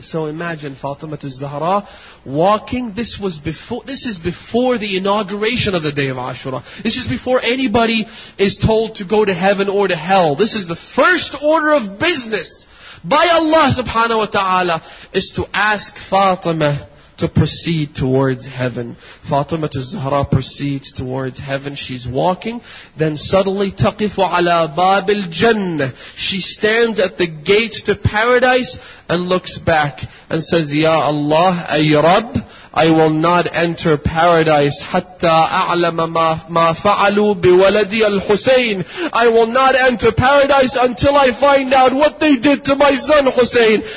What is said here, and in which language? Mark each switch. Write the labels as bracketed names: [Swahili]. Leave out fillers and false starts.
[English] So imagine Fatima al-Zahra walking. This is before the inauguration of the Day of Ashura. This is before anybody is told to go to heaven or to hell. This is the first order of business by Allah subhanahu wa ta'ala is to ask Fatima to proceed towards heaven. Fatima al-Zahra proceeds towards heaven. She's walking. Then suddenly, [Arabic] تقف على باب الجنة. [English] She stands at the gate to paradise and looks back and says, Ya Allah, [Arabic] أي رب, [English] I will not enter paradise [Arabic] حتى أعلم ما فعلوا بولدي الحسين. [English] I will not enter paradise until I find out what they did to my son Hussein.